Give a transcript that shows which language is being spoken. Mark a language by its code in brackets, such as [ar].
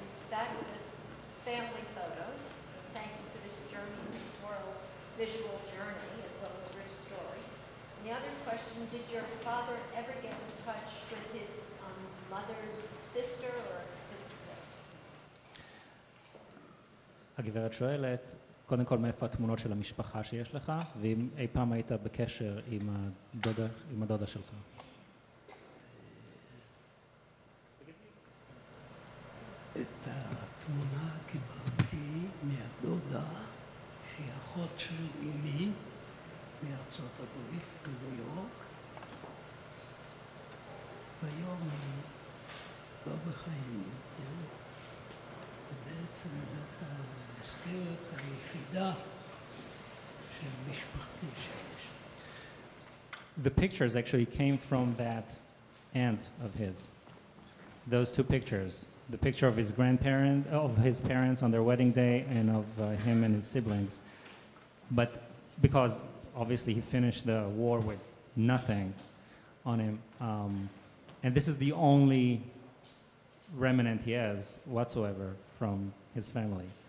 [en] Fabulous family photos. Thank you for this journey to war journey as well as Rick's story. And the other question, did your father ever get in touch with his mother's sister or his [he] הגברת שואלת, קודם כל מאיפה התמונות של המשפחה שיש לך, ואם אי פעם היית בקשר עם הדודה, עם הדודה שלך. את התמונה קיבלתי מהדודה, שהיא אחות של אמי, מארצות הברית, בניו יורק. והיום היא לא בחיים, כן? ובעצם זאת המזכרת היחידה של משפחתי שיש. [en] The pictures actually came from that aunt of his. Those two pictures. The picture of his grandparents, of his parents on their wedding day, and of him and his siblings. But because obviously he finished the war with nothing on him, and this is the only remnant he has whatsoever from his family.